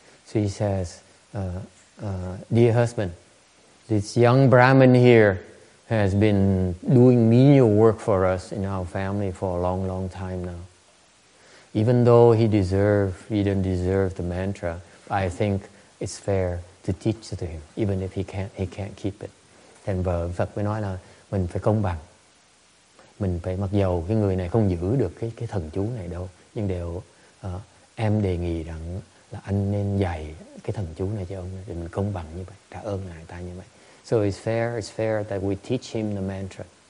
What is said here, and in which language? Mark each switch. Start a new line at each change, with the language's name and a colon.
English: So he says, dear husband, this young Brahmin here has been doing menial work for us in our family for a long, long time now. Even though he didn't deserve the mantra, I think it's fair to teach it to him, even if he can't keep it.
Vietnamese: Then Phật mới nói là mình phải công bằng. Mình phải, mặc dầu cái người này không giữ được cái thần chú này đâu, nhưng đều em đề nghị rằng là anh nên dạy cái thần chú này cho ông, để mình công bằng như vậy, trả ơn người ta như vậy.
English: So it's fair that we teach him the mantra.